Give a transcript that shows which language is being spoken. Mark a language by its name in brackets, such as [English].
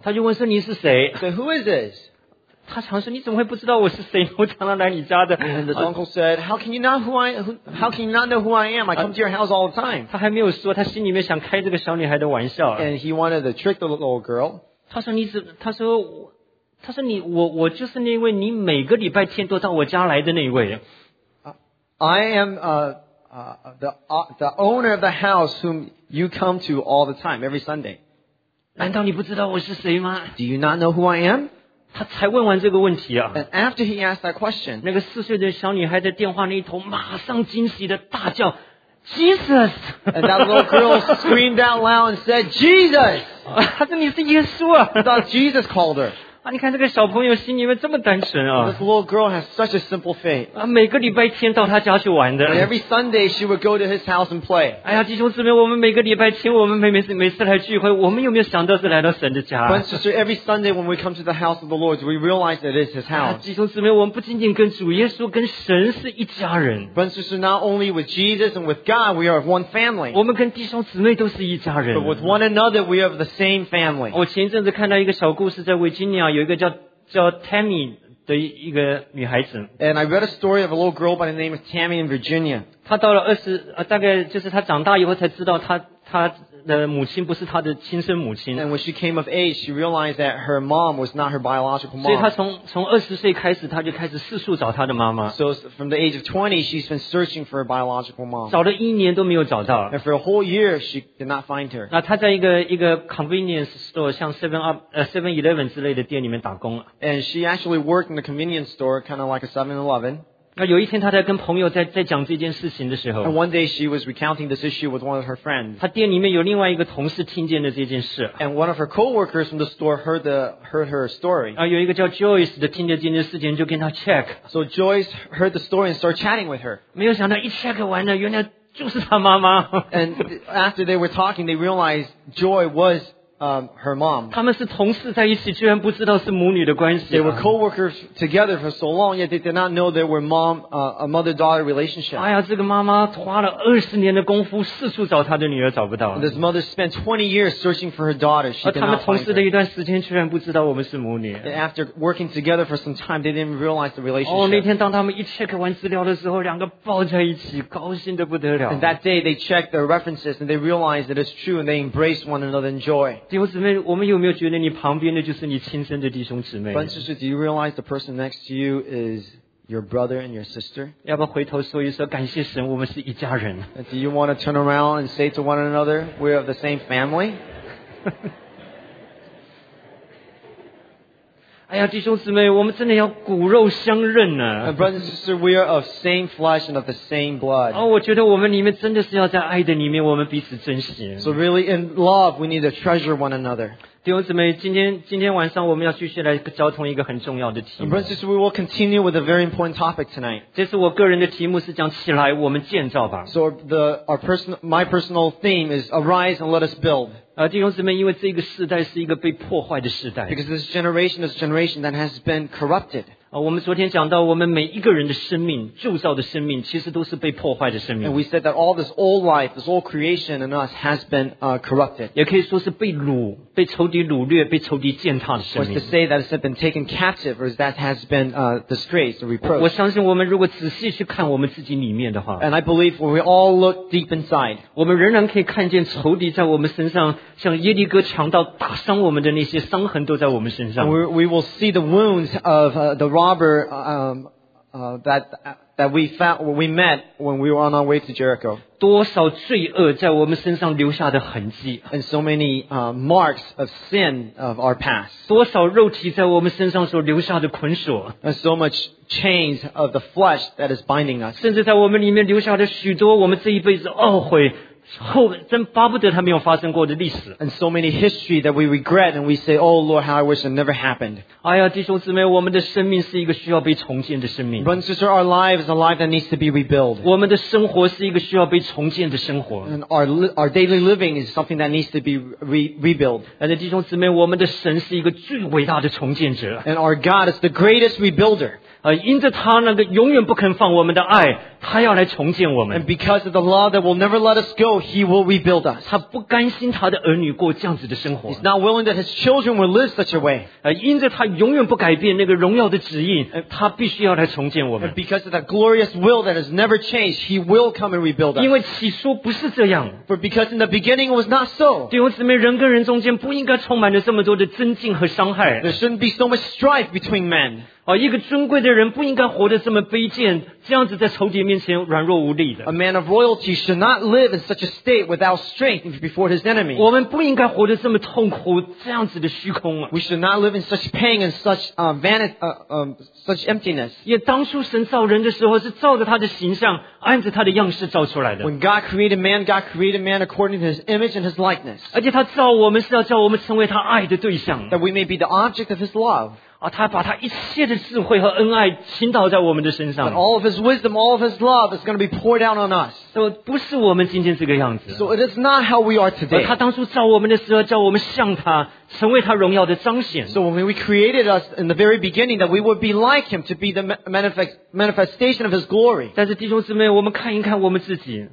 [Chinese] 他就问说你是谁 [English] so who is this [Chinese] 他常说你怎么会不知道我是谁我常常来你家的 [English] and the uncle said how can you not know who I am I come to your house all the time [Chinese] 他还没有说他心里面想开这个小女孩的玩笑 [English] and he wanted to trick the little girl [Chinese] 他说我就是那位你每个礼拜天都到我家来的那位 [English] the owner of the house whom you come to all the time, every Sunday. [Chinese] 难道你不知道我是谁吗? [English] Do you not know who I am? [Chinese] 他才问完这个问题啊。 [English] And after he asked that question, [Chinese] 那个四岁的小女孩在电话那一头马上惊喜的大叫 Jesus! [English] And that little girl screamed out loud and said, Jesus! [Chinese] 她说你是耶稣啊。 [English] I thought Jesus called her. [Chinese] 啊、你看这个小朋友心里面这么单纯啊 [English] This little girl has such a simple faith、 [Chinese] 啊、每个礼拜天到他家去玩的 [English] and Every Sunday she would go to his house and play [Chinese] 哎呀弟兄姊妹我们每个礼拜天我们 每次来聚会我们有没有想到是来到神的家 [English] But sister, every Sunday when we come to the house of the Lord we realize that it is his house、 [Chinese] 啊、弟兄姊妹我们不仅仅跟主耶稣跟神是一家人 [English] But sister, not only with Jesus and with God we are one family [Chinese] 我们跟弟兄姊妹都是一家人 [English] But with one another we have the same family [Chinese] 我前一阵子看到一个小故事在维吉尼亚有一个 叫 Tammy 的一个女孩子 [English] and I read a story of a little girl by the name of Tammy in Virginia [Chinese] 她到了20、大概就是她长大以后才知道 她的母亲不是她的亲生母亲 [English] and when she came of age she realized that her mom was not her biological mom [Chinese] 所以她 从20岁开始她就开始四处找她的妈妈 [English] so from the age of 20 she's been searching for her biological mom [Chinese] 找了一年都没有找到 [English] and for a whole year she did not find her [Chinese] 那她在一个 convenience store 像 7-Eleven 之类的店里面打工 [English] and she actually worked in a convenience store kind of like a 7-Eleven [Chinese] 那有一天她在跟朋友 在讲这件事情的时候 [English] and one day she was recounting this issue with one of her friends [Chinese] 她店里面有另外一个同事听见了这件事 [English] and one of her co-workers from the store heard her story [Chinese] 有一个叫 Joyce 的听见这件事情就跟她 check [English] so Joyce heard the story and started chatting with her [Chinese] 没有想到一 check 完了原来就是她妈妈 [English] and after they were talking they realized Joy washer mom [Chinese] 他们是同事在一起居然不知道是母女的关系、啊、 [English] they were co-workers together for so long yet they did not know there were a mother-daughter relationship [Chinese] 哎呀这个妈妈花了二十年的功夫四处找她的女儿找不到 [English] this mother spent 20 years searching for her daughter she did not find her [Chinese] 而他们同事的一段时间居然不知道我们是母女 [English] after working together for some time they didn't realize the relationship [Chinese] 哦那天当他们一 check 完资料的时候两个抱在一起高兴得不得了 [English] and that day they checked their references and they realized that it's true and they embraced one another in joy [Chinese] 弟兄姊妹，我们有没有觉得你旁边的就是你亲生的弟兄姊妹？ [English] Brothers, do you realize the person next to you is your brother and your sister? [Chinese] 要不要回头说一说，感谢神，我们是一家人。 [English] Do you want to turn around and say to one another, we are of the same family? [Chinese] 哎呀，弟兄姊妹，我们真的要骨肉相认呢、啊。 [English] Brothers, sister, we are of same flesh and of the same blood. [Chinese] 哦，我觉得我们里面真的是要在爱的里面，我们彼此珍惜。 [English] So really, in love, we need to treasure one another. [Chinese] 弟兄姊妹，今天晚上我们要继续来交通一个很重要的题目。 [English] Brothers, sister, we will continue with a very important topic tonight. [Chinese] 这是我个人的题目，是讲起来我们建造吧。 [English] So my personal theme is arise and let us build. [Chinese] 弟兄姊妹因为这个世代是一个被破坏的世代 [English] because this generation is a generation that has been corrupted、 [Chinese] 我们昨天讲到我们每一个人的生命铸造的生命其实都是被破坏的生命 [English] and we said that all this old life this old creation in us has been corrupted [Chinese] 也可以说是被掳被仇敌掳掠被仇敌践踏的生命 [English] was to say that it's been taken captive or that has been disgraced or reproached [Chinese] 我相信我们如果仔细去看我们自己里面的话 [English] and I believe when we all look deep inside [Chinese] 我们仍然可以看见仇敌在我们身上像耶利哥强盗打伤我们的那些伤痕都在我们身上 [English] we will see the wounds of the wrong robber that we found, we met when we were on our way to Jericho. [Chinese] 多少罪恶在我们身上留下的痕迹。 [English] And so many marks of sin of our past. [Chinese] 多少肉体在我们身上所留下的捆锁。 [English] And so much chains of the flesh that is binding us. [Chinese] 甚至在我们里面留下的许多我们这一辈子懊悔后真巴不得它没有发生过的历史。 [English] And so many history that we regret and we say, Oh Lord, how I wish it never happened. [Chinese] 哎呀弟兄姊妹我们的生命是一个需要被重建的生命。 [English] Brothers and sisters, our life is a life that needs to be rebuilt. [Chinese] 我们的生活是一个需要被重建的生活。 [English] And our daily living is something that needs to be rebuilt. [Chinese] 弟兄姊妹我们的神是一个最伟大的重建者。 [English] And our God is the greatest rebuilder. [Chinese] 因着他那个永远不肯放我们的爱他要来重建我们。 [English] And because of the law that will never let us go, he will rebuild us. [Chinese] 他不甘心他的儿女过这样子的生活。 [English] He's not willing that his children will live such a way. [Chinese] 因着他永远不改变那个荣耀的旨意他必须要来重建我们。 [English] And because of that glorious will that has never changed, he will come and rebuild us. [Chinese] 因为起初不是这样。 [English] For because in the beginning it was not so. [Chinese] 弟兄姊妹人跟人中间不应该充满着这么多的尊敬和伤害。 [English] There shouldn't be so much strife between men. [Chinese] 一个尊贵的人不应该活得这么卑贱这样子在仇敌面前软弱无力的。 [English] A man of royalty should not live in such a state without strength before his enemy. [Chinese] 我们不应该活得这么痛苦这样子的虚空啊。 [English] We should not live in such pain and such, such emptiness. [Chinese] 也当初神造人的时候是照着他的形象按着他的样式造出来的。 [English] When God created man, God created man according to his image and his likeness. [Chinese] 而且他造我们是要叫我们成为他爱的对象。 [English] That we may be the object of his love. [Chinese] 他把他一切的智慧和恩爱倾倒在我们的身上。 [English] But all of his wisdom, all of his love is going to be poured out on us. [Chinese] So, 不是我们今天这个样子。 [English] So it is not how we are today. [Chinese] 他当初造我们的时候叫我们像他成为他荣耀的彰显。 [English] So when we created us in the very beginning that we would be like him to be the manifestation of his glory. [Chinese] 但是弟兄姊妹我们看一看我们自己。